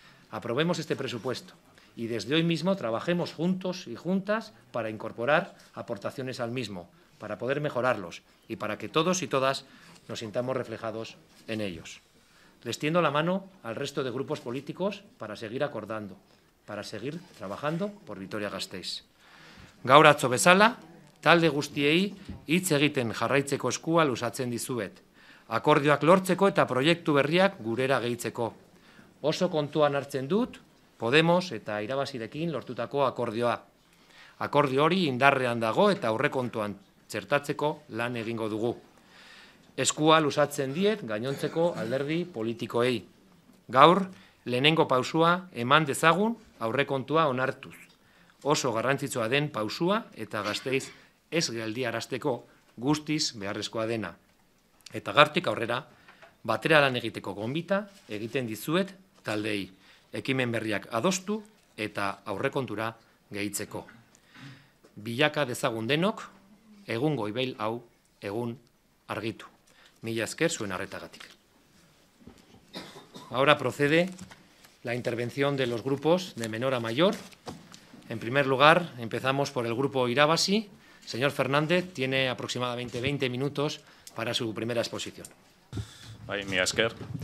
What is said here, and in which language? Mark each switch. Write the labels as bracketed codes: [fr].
[es] Aprobemos este presupuesto y desde hoy mismo trabajemos juntos y juntas para incorporar aportaciones al mismo, para poder mejorarlos y para que todos y todas nos sintamos reflejados en ellos. Les tiendo la mano al resto de grupos políticos para seguir acordando, para seguir trabajando por Vitoria-Gasteiz. [eu] Gaur atzo bezala, talde guztiei hitz egiten jarraitzeko eskua luzatzen dizuet, akordioak lortzeko eta proiektu berriak gurera gehitzeko. Oso kontuan hartzen dut, Podemos eta Irabazirekin lortutako akordioa. Akordio hori indarrean dago eta aurrekontuan txertatzeko lan egingo dugu. Eskua luzatzen diet gainontzeko alderdi politikoei. Gaur, lehenengo pausua eman dezagun aurrekontua onartuz. Oso garrantzitsua den pausua eta Gasteiz ez geldiarazteko guztiz beharrezkoa dena. Eta gartik aurrera, batera lan egiteko gonbita egiten dizuet taldei, ekimen berriak adostu eta aurrekontura gehitzeko. Bilaka dezagun denok, egun goibail hau egun argitu. Mila esker zuen arretagatik. [es] Ahora procede la intervención de los grupos de menor a mayor. En primer lugar, empezamos por el grupo Irabazi. Señor Fernández, tiene aproximadamente 20 minutos para su primera exposición. [eu] Ay, mila esker.